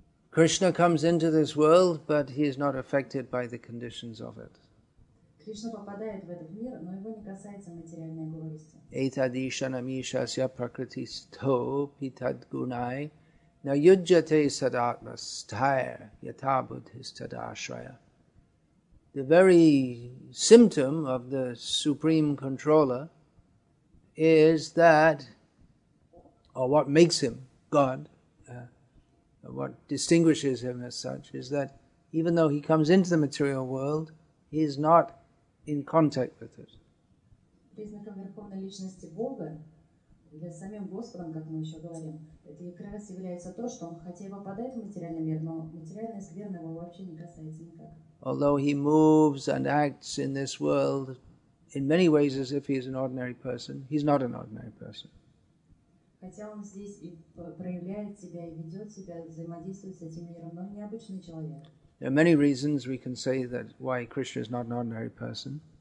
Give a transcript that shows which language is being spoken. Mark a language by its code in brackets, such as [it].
[en] Krishna comes into this world, but he is not affected by the conditions of it. [ru] Кришна попадает в этот мир, но его не касается материальной горести. [sa] Этадишанамишасья пракрити стхо питад гунай на юджате садатма стхайр ятабудхис тадашрая. [en] The very symptom of the supreme controller is that, or what makes him God, what distinguishes him as such, is that even though he comes into the material world, he is not in contact with it. [ru] Признаком верховной личности Бога для самим Господом, как мы еще говорим, это как раз является то, что он хотя и попадает в материальный мир, но материальная скверна его вообще не касается никак. [en] Although he moves and acts in this world in many ways as if he is an ordinary person, he's not an ordinary person. [ru] Хотя он здесь и проявляет себя, и ведет себя, взаимодействует с этим миром, но он необычный человек. [en] There are many reasons we can say that why Krishna is not an ordinary person.